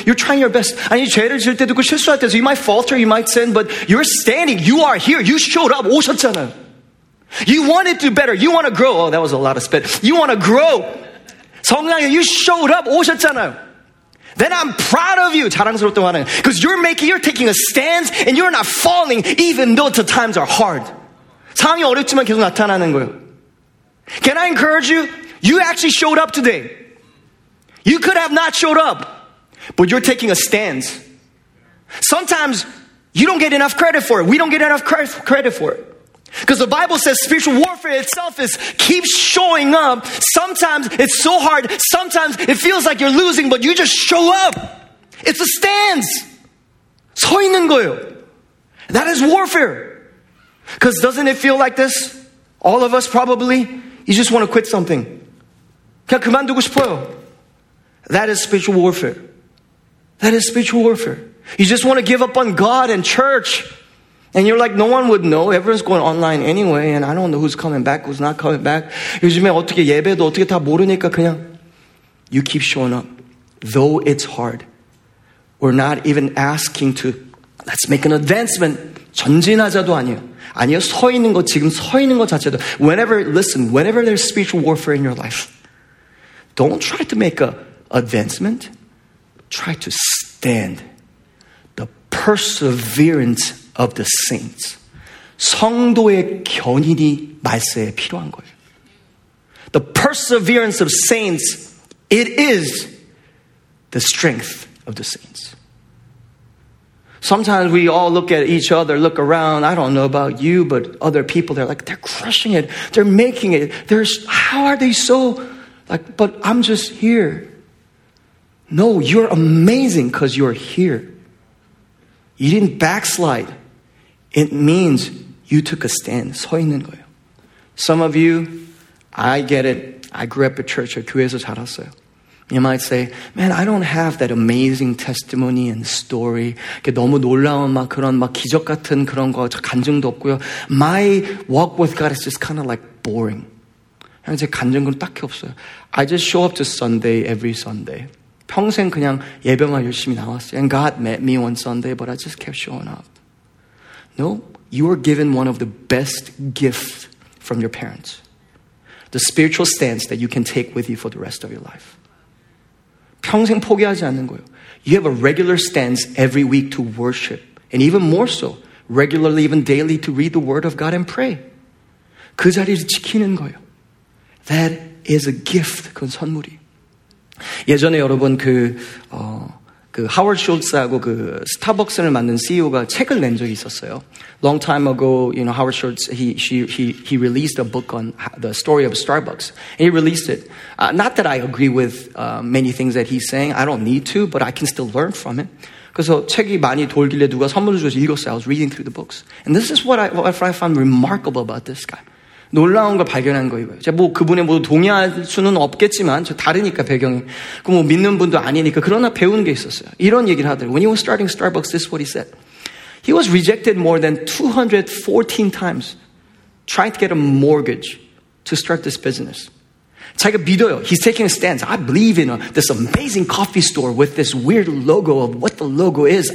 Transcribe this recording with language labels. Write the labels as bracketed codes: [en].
[en] You're trying your best. [ko] 아니, 죄를 지을 때도 있고 실수할 때도 [en] you might falter, you might sin, but you're standing. You are here. You showed up. [ko] 오셨잖아요. [en] You want to do better. You want to grow. Oh, that was a lot of spit. You want to grow. [ko] 성량이, [en] you showed up. [ko] 오셨잖아요. [en] Then I'm proud of you. [ko] 자랑스럽다고 하는 거예요. [en] Because you're taking a stance and you're not falling even though the times are hard. [ko] 상황이 어렵지만 계속 나타나는 거예요. [en] Can I encourage you? You actually showed up today. You could have not showed up, but you're taking a stance. Sometimes you don't get enough credit for it. We don't get enough credit for it. Because the Bible says spiritual warfare itself is keep showing up. Sometimes it's so hard. Sometimes it feels like you're losing, but you just show up. It's a stance. [ko] 서 있는 거예요. [en] That is warfare. Because doesn't it feel like this? All of us probably. You just want to quit something. [ko] 그냥 그만두고 싶어요. [en] That is spiritual warfare. That is spiritual warfare. You just want to give up on God and church. And you're like, no one would know. Everyone's going online anyway. And I don't know who's coming back, who's not coming back. [ko] 요즘에 어떻게 예배도 어떻게 다 모르니까 그냥. [en] You keep showing up. Though it's hard. We're not even asking to, let's make an advancement. [ko] 전진하자도 아니에요. 아니요, 서 있는 거, 지금 서 있는 거 자체도. [en] Whenever there's spiritual warfare in your life, don't try to make an advancement. Try to stand the perseverance of the saints. [ko] 성도의 견인이 말세에 필요한 거예요. [en] The perseverance of saints, it is the strength of the saints. Sometimes we all look at each other, look around. I don't know about you, but other people, they're like, they're crushing it. They're making it. How are they so? Like, but I'm just here. No, you're amazing because you're here. You didn't backslide. It means you took a stand. [ko] 서 있는 거예요. [en] Some of you, I get it. I grew up at church. [ko] 교회에서 자랐어요. [en] You might say, man, I don't have that amazing testimony and story. [ko] 너무 놀라운 막 그런 막 기적 같은 그런 거 간증도 없고요. [en] My walk with God is just kind of like boring. [ko] 그냥 제 간증은 딱히 없어요. [en] I just show up to Sunday every Sunday. [ko] 평생 그냥 예배만 열심히 나왔어요. [en] And God met me one Sunday, but I just kept showing up. No, you were given one of the best gifts from your parents. The spiritual stance that you can take with you for the rest of your life. [ko] 평생 포기하지 않는 거예요. [en] You have a regular stance every week to worship. And even more so, regularly, even daily, to read the word of God and pray. [ko] 그 자리를 지키는 거예요. [en] That is a gift. [ko] 그건 선물이. 예전에 여러분 하워드 숄츠하고 그 스타벅스를 만든 CEO가 책을 낸 적이 있었어요. [en] Long time ago, you know, Howard Schultz, he released a book on the story of Starbucks. And he released it. Not that I agree with many things that he's saying. I don't need to, but I can still learn from it. [ko] 그래서 책이 많이 돌길래 누가 선물을 줘서 읽었어요. [en] I was reading through the books. And this is what I found remarkable about this guy. [ko] 놀라운 걸 발견한 거예요. 제가 뭐 그분의 모두 동의할 수는 없겠지만 저 다르니까 배경이. 그 뭐 믿는 분도 아니니까 그러나 배우는 게 있었어요. 이런 얘기를 하더라고요. [en] When he was starting Starbucks, this is what he said. He was rejected more than 214 times trying to get a mortgage to start this business. [ko] 자기가 믿어요. [en] He's taking a stance. I believe in this amazing coffee store with this weird logo of what the logo is.